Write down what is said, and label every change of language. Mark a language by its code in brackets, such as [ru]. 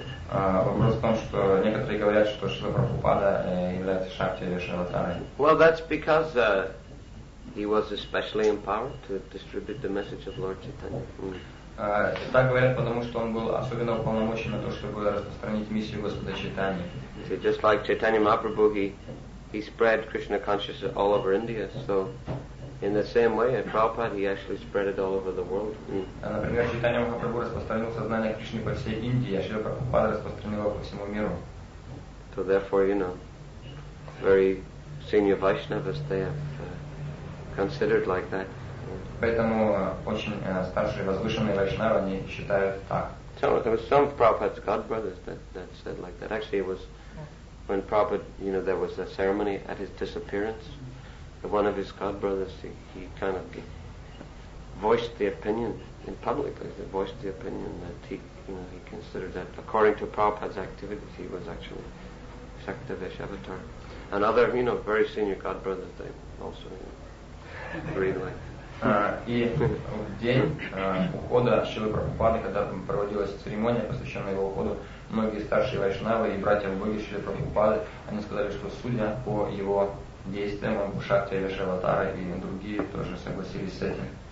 [ru] Вопрос в том, что некоторые говорят, что Шрила Прабхупада является шакти решаватарой. [en] Well, that's because he was especially empowered to distribute the message of Lord Chaitanya. [ru] Так говорят, потому что он был особенно уполномочен на то, чтобы распространить миссию Господа Чайтаньи. [en] So just like Chaitanya Mahaprabhu, he spread Krishna consciousness all over India, so in the same way, at Prabhupada, he actually spread it all over the world. [ru] Например, Чайтанья Махапрабху распространил сознание Кришны по всей Индии, а Шрила Прабхупада распространил его по всему миру. [en] So therefore, you know, very senior Vaishnavas, they have considered like that. [ru] Поэтому очень старшие возвышенные вайшнавы, они считают так. [en] So there was some Prabhupada's godbrothers that said like that. Actually, it was when Prabhupada, you know, there was a ceremony at his disappearance. One of his godbrothers, he kind of voiced the opinion in public. He voiced the opinion that he, you know, he considered that according to Prabhupada's activities, he was actually Shakti Veshavatar. And other, you know, very senior godbrothers, they also, you know, agreed like. [ru] И в день ухода Шрилы Прабхупады, когда там проводилась церемония, посвященная его уходу, многие старшие вайшнавы и братья Боги Шрилы Прабхупады, они сказали, что судя по его действием Шакти Решаватара и другие тоже согласились с этим.